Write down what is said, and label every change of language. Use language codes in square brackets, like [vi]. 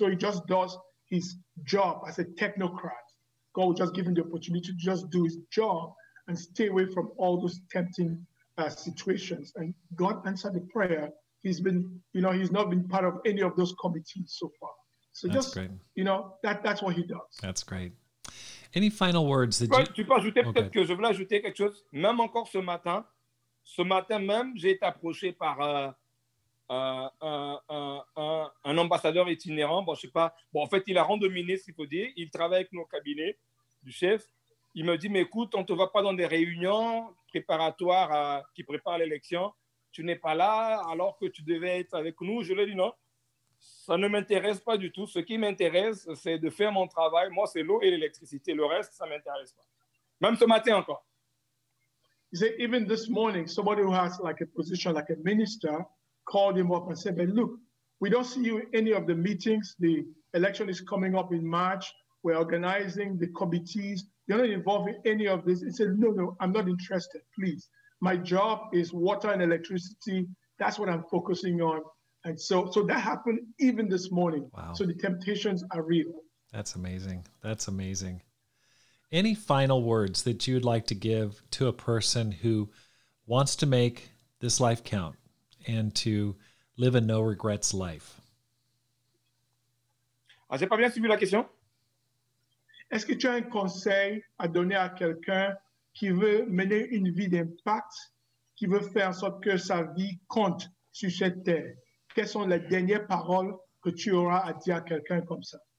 [en] So he just does his job as a technocrat. God will just give him the opportunity to just do his job and stay away from all those tempting situations. And God answered the prayer. He's been, you know, he's not been part of any of those committees so far. So that's just, great. You know, that's what he does. That's great. Any final words that [fr] tu peux ajouter peut-être que je voulais ajouter quelque chose. Même encore ce matin même, j'ai été approché par un ambassadeur itinérant. Bon, je sais pas. Bon, en fait, il a rang de ministre, il faut dire. Il travaille avec nos cabinets du chef. Il me dit, mais écoute, on te voit pas dans des réunions préparatoires qui préparent l'élection. Tu n'es pas là alors que tu devais être avec nous. Je lui dis non, ça ne m'intéresse pas du tout. Ce qui m'intéresse, c'est de faire mon travail. Moi, c'est l'eau et l'électricité. Le reste, ça ne m'intéresse pas. Même ce matin encore. [en] He said, even this morning, somebody who has like a position, like a minister, called him up and said, but look, we don't see you in any of the meetings. The election is coming up in March. We're organizing the committees. You're not involved in any of this. He said, no, I'm not interested, please. My job is water and electricity. That's what I'm focusing on. And so that happened even this morning. Wow. So the temptations are real. That's amazing. Any final words that you'd like to give to a person who wants to make this life count and to live a no regrets life. [fr] Ah, j'ai pas bien suivi la question. Est-ce que tu as un conseil à donner à quelqu'un qui veut mener une vie d'impact, qui veut faire en sorte que sa vie compte sur cette terre? Quelles sont les dernières paroles que tu auras à dire à quelqu'un comme ça?